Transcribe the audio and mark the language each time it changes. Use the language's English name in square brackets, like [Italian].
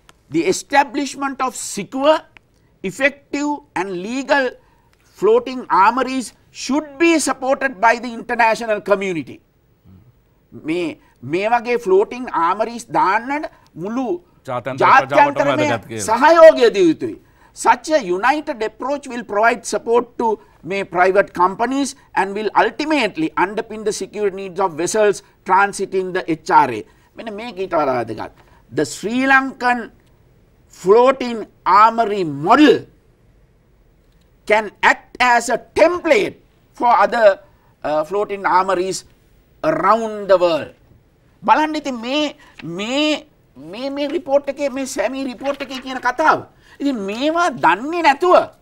[English] The establishment of secure, effective and legal floating armories should be supported by the international community. [Sinhala] මේ මේ වගේ floating armories දාන්නට මුළු ජාත්‍යන්තර සහයෝගය දිය යුතුයි. [English] Such a united approach will provide support to may private companies and will ultimately underpin the security needs of vessels transiting the HRA. [Sinhala] මෙන්න මේක ඊට වඩාදගත්. [English] The Sri Lankan floating armory model can act as a template for other floating armories around the world [Sinhala] බලන්න ඉතින් මේ මේ මේ මේ report එකේ මේ semi report එකේ කියන කතාව ඉතින් මේවා දන්නේ නැතුව